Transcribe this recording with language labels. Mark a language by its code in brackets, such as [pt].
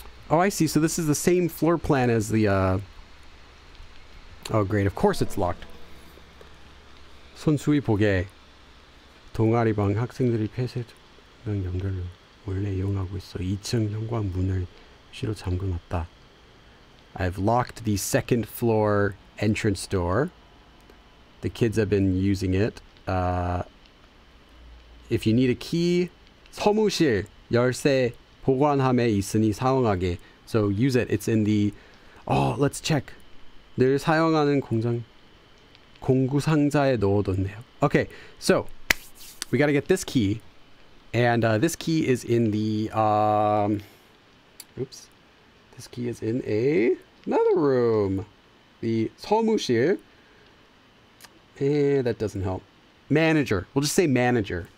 [en] Oh, I see. So this is the same floor plan as the Oh, great. Of course it's locked. [ko] 손수위 보게. 동아리 방 학생들이 폐쇄된 연결로 원래 이용하고 있어. 2층 현관 문을 실로 잠궈놨다. [en] I've locked the second floor entrance door. The kids have been using it. If you need a key, [ko] 서무실 열쇠 보관함에 있으니 사용하게. [en] So use it. It's in the... Oh, let's check. [ko] 늘 사용하는 공장... 공구 상자에 넣어뒀네요. [en] Okay, so we gotta get this key, and this key is in the this key is in another room, the 서무실. That doesn't help. Manager. We'll just say manager.